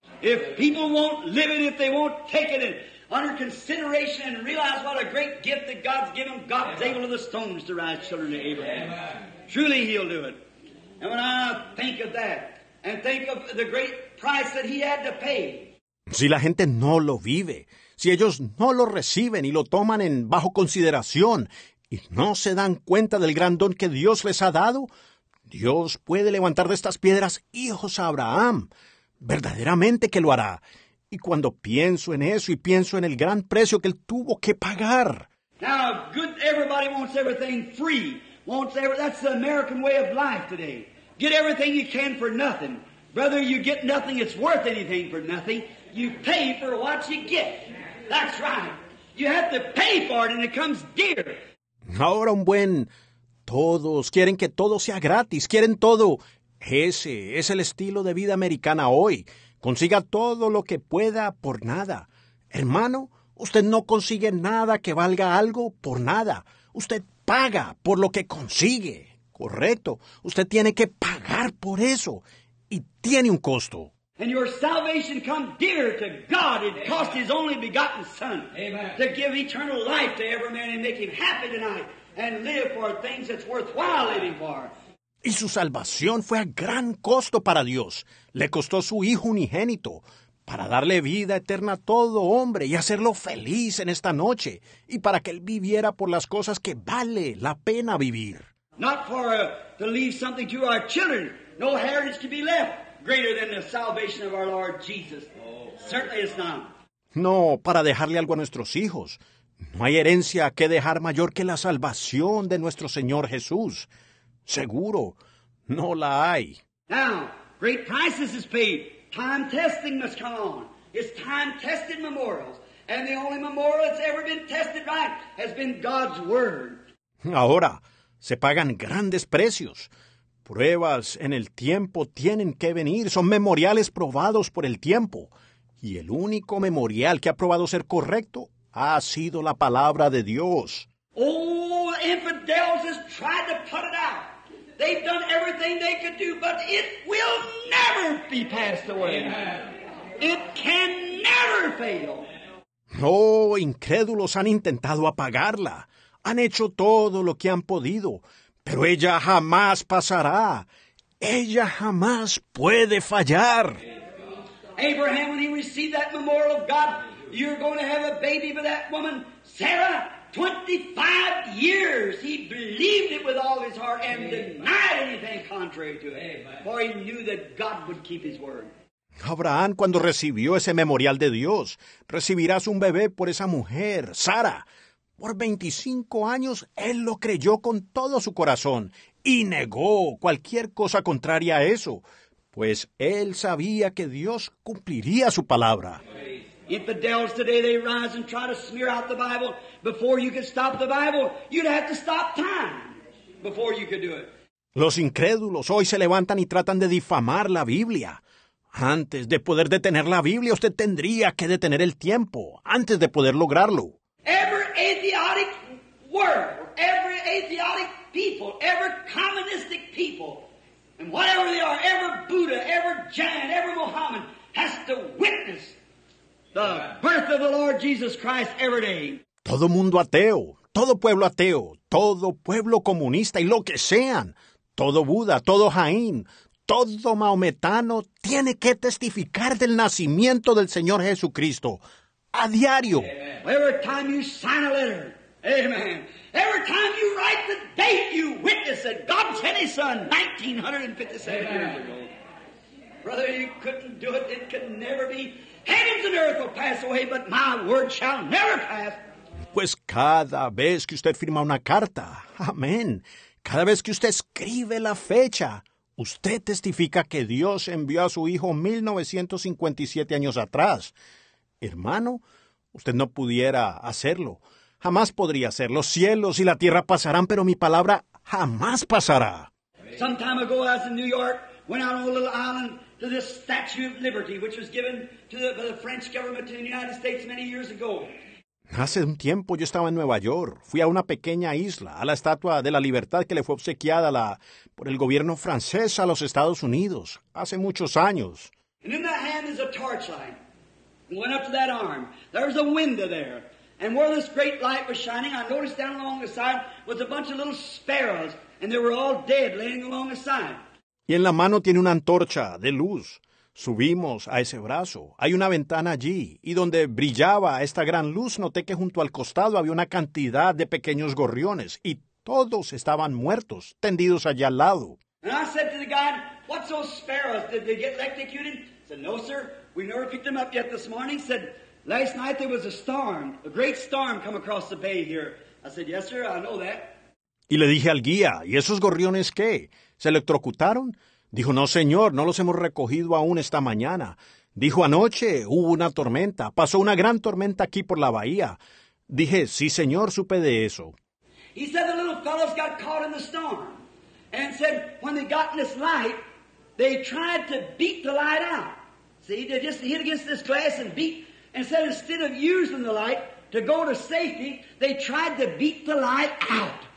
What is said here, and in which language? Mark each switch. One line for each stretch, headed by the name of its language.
English: If people won't live it, if they won't take it under consideration and realize what a great gift that God's given, God's Amen. Able of the stones to rise children to Abraham. Amen. Truly he'll do it. And when I think of that, and think of the great price that he had to pay.
Spanish: Si la gente no lo vive, si ellos no lo reciben y lo toman en bajo consideración, y no se dan cuenta del gran don que Dios les ha dado, Dios puede levantar de estas piedras hijos a Abraham. Verdaderamente que lo hará. Y cuando pienso en eso y pienso en el gran precio que él tuvo que pagar.
English: Now, good, everybody wants everything free. That's the American way of life today. Get everything you can for nothing. Brother, you get nothing, it's worth anything for nothing. You pay for what you get. That's right. You have to pay for it and it comes dear.
Spanish: Ahora un buen, todos quieren que todo sea gratis, quieren todo. Ese es el estilo de vida americana hoy. Consiga todo lo que pueda por nada. Hermano, usted no consigue nada que valga algo por nada. Usted paga por lo que consigue. Correcto. Usted tiene que pagar por eso. Y tiene un costo.
English: And your salvation come dear to God. It Amen. Cost his only begotten son. Amen. To give eternal life to every man and make him happy tonight. And live for things that's worthwhile living for.
Spanish: Y su salvación fue a gran costo para Dios. Le costó su Hijo unigénito para darle vida eterna a todo hombre y hacerlo feliz en esta noche y para que él viviera por las cosas que vale la pena vivir.
English: Not for to leave something to our children. No heritage to be left greater than the salvation of our Lord Jesus. Certainly it's not.
Spanish: No, para dejarle algo a nuestros hijos. No hay herencia que dejar mayor que la salvación de nuestro Señor Jesús. Seguro, no la hay.
English: Now, great prices is paid. Time testing must come on. It's time tested memorials. And the only memorial that's ever been tested right has been God's Word.
Spanish: Ahora, se pagan grandes precios. Pruebas en el tiempo tienen que venir. Son memoriales probados por el tiempo. Y el único memorial que ha probado ser correcto ha sido la palabra de Dios.
English: Oh, the infidels has tried to put it out. They've done everything they could do, but it will never be passed away. It can never fail.
Spanish: Oh, incrédulos han intentado apagarla. Han hecho todo lo que han podido, pero ella jamás pasará. Ella jamás puede fallar.
English: Abraham, when he received that memorial of God, you're going to have a baby with that woman, Sarah. 25 years he believed it with all his heart and denied anything contrary to it. For he knew that God would keep his word.
Spanish: Abraham, cuando recibió ese memorial de Dios, recibirás un bebé por esa mujer, Sara. Por 25 años él lo creyó con todo su corazón y negó cualquier cosa contraria a eso, pues él sabía que Dios cumpliría su palabra.
English: Infidels today, they rise and try to smear out the Bible. Before you could stop the Bible, you'd have to stop time before you could do it.
Spanish: Los incrédulos hoy se levantan y tratan de difamar la Biblia. Antes de poder detener la Biblia, usted tendría que detener el tiempo antes de poder lograrlo.
English: Every atheistic world, every atheistic people, every communistic people, and whatever they are, every Buddha, every Jain, every Mohammed has to witness the birth of the Lord Jesus Christ every day.
Spanish: Todo mundo ateo, todo pueblo comunista y lo que sean, todo Buda, todo Jaín, todo maometano tiene que testificar del nacimiento del Señor Jesucristo a diario.
English: Amen. Every time you sign a letter, amen. Every time you write the date, you witness that God sent his son 1957 years ago. Brother, you couldn't do it. It could never be. Heavens and earth will pass away, but my word shall never pass.
Spanish: Pues cada vez que usted firma una carta, amén. Cada vez que usted escribe la fecha, usted testifica que Dios envió a su hijo 1957 años atrás. Hermano, usted no pudiera hacerlo. Jamás podría hacerlo. Los cielos y la tierra pasarán, pero mi palabra jamás pasará.
English: Some time ago, I was in New York, went out on a little island to the Statue of Liberty, which was given to the French government in the United States many years ago.
Spanish: Hace un tiempo yo estaba en Nueva York. Fui a una pequeña isla, a la Estatua de la Libertad que le fue obsequiada por el gobierno francés a los Estados Unidos hace muchos años.
English: And in that hand is a torchlight. Went up to that arm. There was a window there. And where this great light was shining, I noticed down along the side was a bunch of little sparrows. And they were all dead laying along the side.
Spanish: Y en la mano tiene una antorcha de luz. Subimos a ese brazo. Hay una ventana allí, y donde brillaba esta gran luz, noté que junto al costado había una cantidad de pequeños gorriones, y todos estaban muertos, tendidos allá al lado.
English: And I said to the guide, "What's those sparrows? Did they get electrocuted?" He said, "No, sir. We never picked them up yet this morning." He said, "Last night there was a storm, a great storm come across the bay here." I said, "Yes, sir, I know that."
Spanish: Y le dije al guía, "¿Y esos gorriones qué? ¿Se electrocutaron?" Dijo, "No, señor, no los hemos recogido aún esta mañana." Dijo, "Anoche hubo una tormenta. Pasó una gran tormenta aquí por la bahía." Dije, "Sí, señor, supe de eso."
English: He said the little fellows got caught in the storm. And said, when they got in this light, they tried to beat the light out. See, they just hit against this glass and beat. And said, instead of using the light to go to safety, they tried to beat the light out.